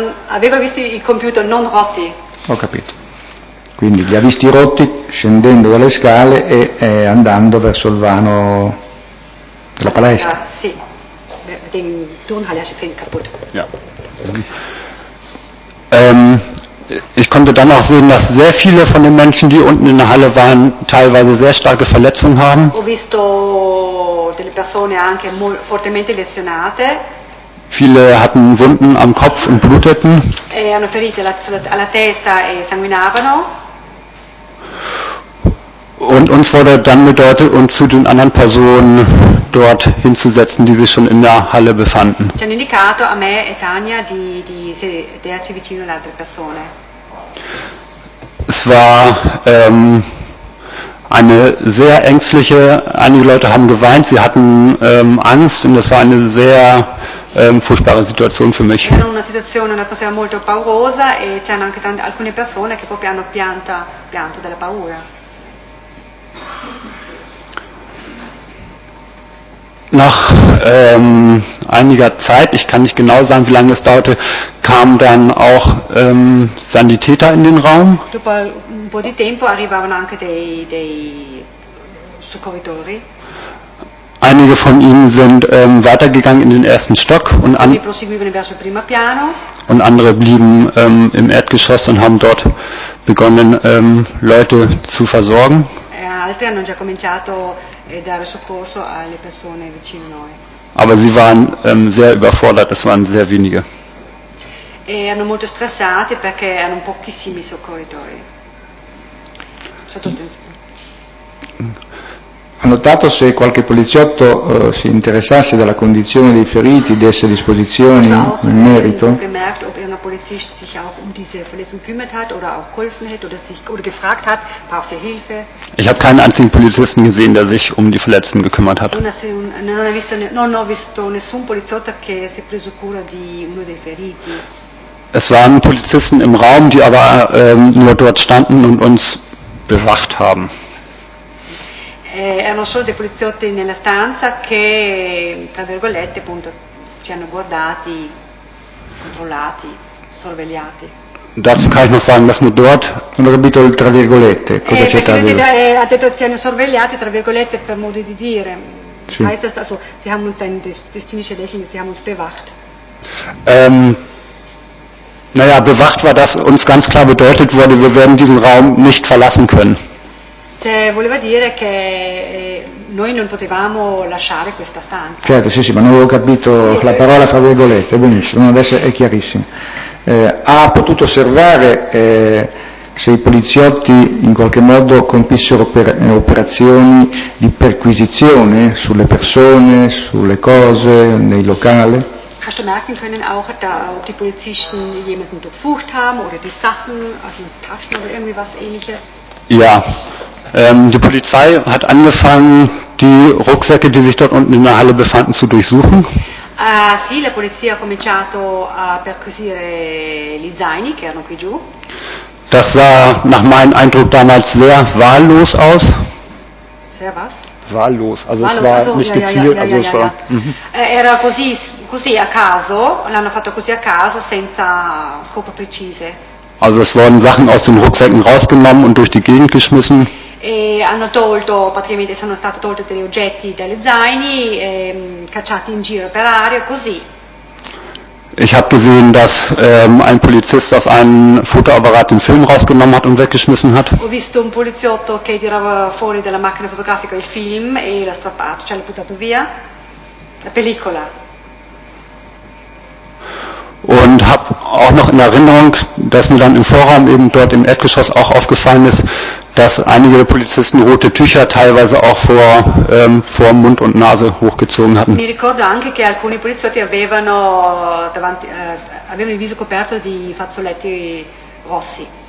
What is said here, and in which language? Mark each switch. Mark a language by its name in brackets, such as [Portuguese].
[Italian] Aveva visto i computer non rotti. Ho capito. Quindi li ha visti rotti scendendo dalle scale e andando verso il vano della palestra. Sì. [German] Den Turnhalle hast du gesehen, kaputt. Ja. Ich konnte dann auch sehen, dass sehr viele von den Menschen, die unten in der Halle waren, teilweise sehr starke Verletzungen haben. [Italian] Ho visto delle persone anche fortemente lesionate. [German] Viele hatten Wunden am Kopf und bluteten. [Italian] E hanno ferite alla testa e sanguinavano. [German] Und uns wurde dann bedeutet, uns zu den anderen Personen dort hinzusetzen, die sich schon in der Halle befanden. [Italian] Ci hanno indicato a me e Tania di sederci vicino alle altre persone. [German] Es war eine sehr ängstliche, einige Leute haben geweint, sie hatten Angst und das war eine sehr furchtbare Situation für mich. [Italian] Era una situazione, una cosa molto paurosa e c'erano anche tante alcune persone che proprio hanno pianto della paura. [German] Nach einiger Zeit, ich kann nicht genau sagen, wie lange es dauerte, kamen dann auch Sanitäter in den Raum. [Italian] Dopo un po' di tempo arrivavano anche dei soccorritori. [German] Einige von ihnen sind weitergegangen in den ersten Stock und [Italian] andere proseguivano verso il primo piano. [German] Und andere blieben im Erdgeschoss und haben dort begonnen, Leute zu versorgen. [Italian] Altri hanno già cominciato e dare soccorso alle persone vicino a noi. [German] Aber sie waren sehr überfordert, es waren sehr wenige. [Italian] E erano molto stressati perché erano pochissimi soccorritori. Ha notato se qualche poliziotto si interessasse della condizione dei feriti, desse disposizioni in merito? Ha [German] gemerkt, ob irgendein Polizist sich auch um diese Verletzten kümmert hat oder auch geholfen hat oder sich oder gefragt hat, braucht er Hilfe? Ich habe keinen einzigen Polizisten gesehen, der sich um die Verletzten gekümmert hat. [Italian] Non ho visto nessun poliziotto che si è preso cura di uno dei feriti. [German] Es waren Polizisten im Raum, die aber nur dort standen und uns bewacht haben. [Italian] Erano solo dei poliziotti nella stanza che, tra virgolette, appunto, ci hanno guardati, controllati, sorvegliati. [German] Dazu kann ich noch sagen, dass nur dort, [Italian] non ho capito il tra virgolette, cosa c'è tra virgolette? Ha detto ci hanno sorvegliati, tra virgolette, per modo di dire. Sì. [German] Das heißt, also, sie haben uns ein distinctive Lächeln, sie haben uns bewacht. Naja, bewacht war, dass uns ganz klar bedeutet wurde, wir werden diesen Raum nicht verlassen können. [Italian] Cioè, voleva dire che noi non potevamo lasciare questa stanza. Certo, sì, ma non avevo capito la parola fra virgolette, benissimo, adesso è chiarissimo. Ha potuto osservare se i poliziotti in qualche modo compissero operazioni di perquisizione sulle persone, sulle cose, nei locali? [German] Hast du merken können auch, da, ob die Polizisten jemanden durchsucht haben oder die Sachen, also die Taschen oder irgendwie was ähnliches? Ja. Die Polizei hat angefangen, die Rucksäcke, die sich dort unten in der Halle befanden, zu durchsuchen. [Italian] Sì, la polizia ha cominciato a perquisire gli zaini che erano qui giù. [German] Das sah nach meinem Eindruck damals sehr wahllos aus. Sehr was? Wahllos, also es war nicht gezielt, also es war. [Italian] Era così, così a caso, l'hanno fatto così a caso, senza scopo precise. [German] Also es wurden Sachen aus den Rucksäcken rausgenommen und durch die Gegend geschmissen. [Italian] E hanno tolto, praticamente sono stati tolti degli oggetti dalle zaini, cacciati in giro per aria, così. [German] Ich habe gesehen, dass ein Polizist aus einem Fotoapparat den Film rausgenommen hat und weggeschmissen hat. [Italian] Ho visto un poliziotto che tirava fuori dalla macchina fotografica il film e l'ha strappato, cioè l'ha buttato via, la pellicola. [German] Und habe auch noch in Erinnerung, dass mir dann im Vorraum eben dort im Erdgeschoss auch aufgefallen ist, dass einige Polizisten rote Tücher teilweise auch vor vor Mund und Nase hochgezogen hatten. [Italian] Mi ricordo anche che alcuni poliziotti avevano davanti avevano il viso coperto di fazzoletti rossi.